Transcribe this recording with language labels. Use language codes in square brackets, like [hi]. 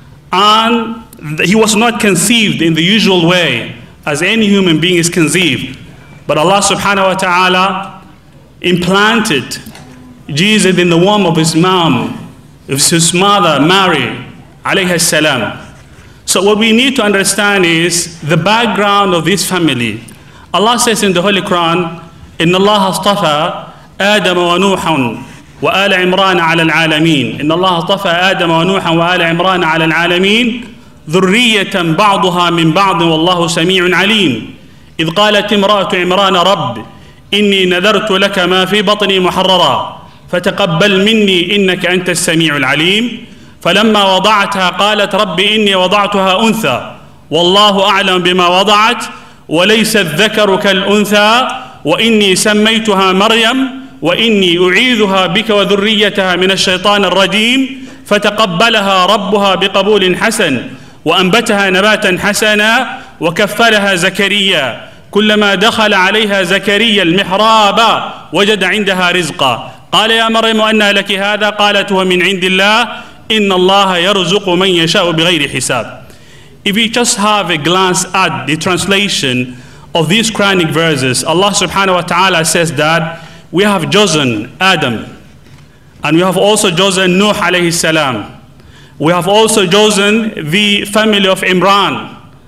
[en] And he was not conceived in the usual way as any human being is conceived. But Allah subhanahu wa ta'ala implanted Jesus in the womb of his mom, of his mother, Mary, alayhi salam. So what we need to understand is the background of this family. [ar] Allah says in the Holy Quran, إِنَّ اللَّهَ اصْطَفَى آدَمَ وَنُوحًا وَآلَ عِمْرَانَ عَلَى الْعَالَمِينَ إِنَّ اللَّهَ اصْطَفَى آدَمَ وَنُوحًا وَآلَ عِمْرَانَ عَلَى الْعَالَمِينَ ذُرِّيَّةً بَعْضُهَا مِنْ بَعْضٍ وَاللَّهُ سَمِيعٌ عَلِيمٌ إِذْ قَالَتْ امْرَأَةُ عِمْرَانَ رَبِّ إِنِّي نَذَرْتُ لَكَ مَا فِي بَطْنِي مُحَرَّرًا فَتَقَبَّلْ مِنِّي إِنَّكَ أَنْتَ السَّمِيعُ الْعَلِيمُ فَلَمَّا وَضَعَتْهَا قَالَتْ رَبِّ إِنِّي وَضَعْتُهَا أُنْثَى وَاللَّهُ أَعْلَمُ بِمَا وَضَعَتْ وليس الذكر كالأنثى وإني سميتها مريم وإني أعيذها بك وذريتها من الشيطان الرجيم فتقبلها ربها بقبول حسن وأنبتها نباتا حسنا وكفلها زكريا كلما دخل عليها زكريا المحراب وجد عندها رزقا قال يا مريم أنى لك هذا قالت هو من عند الله إن الله يرزق من يشاء بغير حساب. [en] If we just have a glance at the translation of these Quranic verses, Allah subhanahu wa ta'ala says that we have chosen Adam, and we have also chosen Nuh alayhi salam. We have also chosen the family of Imran.